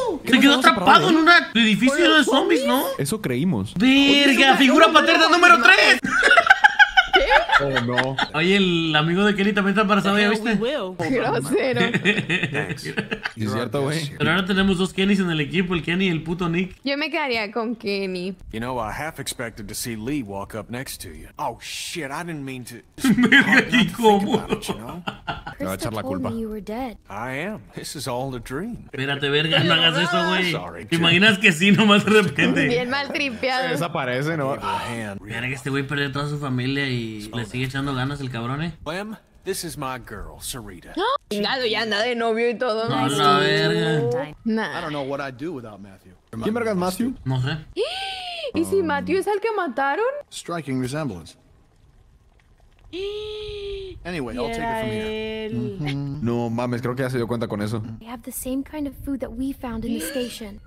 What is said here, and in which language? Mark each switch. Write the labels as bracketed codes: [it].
[es] Se quedó atrapado en un edificio de zombies, ¿no? Eso creímos. ¡Verga! ¡Figura paterna número 3! Oh no. Oye, el amigo de Kelly también está embarazado, ¿ya viste? Grosero. Es cierto, güey. Pero ahora tenemos dos Kennys en el equipo, el Kenny y el puto Nick. Yo me quedaría con Kenny. [en] You know, I half expected to see Lee walk up next to you. Oh shit, I didn't mean to. [es] Mira, ¿y cómo? Te va a echar la culpa. [en] I am. This is all a dream. [es] Espérate, verga, no hagas eso, güey. ¿Te imaginas que sí, nomás de repente? Bien mal tripeado. Se desaparece, ¿no? Mira que este güey perdió toda su familia y le sigue echando ganas el cabrón, ¿eh? [en] Clem, this is my girl, Sarita. [es] No, chingado, ya anda de novio y todo. No, la verga. [en] Nah. I don't know what I'd do without Matthew. [es] ¿Quién verga es Matthew? No sé. ¿Y si Matthew es el que mataron? [en] Striking resemblance. Anyway, I'll take it from here. [es] No mames, creo que ya se dio cuenta con eso. [en] They have the same kind of food that we found in the station.